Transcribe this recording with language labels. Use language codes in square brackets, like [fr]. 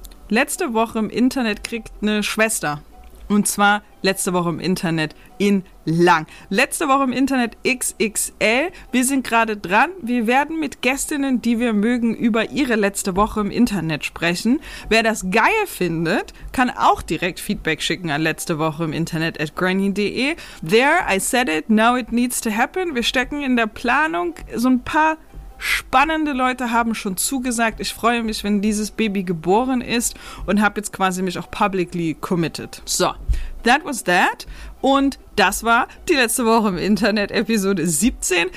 [de] Letzte Woche im Internet kriegt eine Schwester. Und zwar letzte Woche im Internet in lang. Letzte Woche im Internet XXL. Wir sind gerade dran. Wir werden mit Gästinnen, die wir mögen, über ihre letzte Woche im Internet sprechen. Wer das geil findet, kann auch direkt Feedback schicken an letztewocheiminternet@granny.de. [en] There, I said it, now it needs to happen. [de] Wir stecken in der Planung so ein paar spannende Leute haben schon zugesagt. Ich freue mich, wenn dieses Baby geboren ist und habe jetzt quasi mich auch [en] publicly committed. So, that was that. [de] Und das war die letzte Woche im Internet, Episode 17.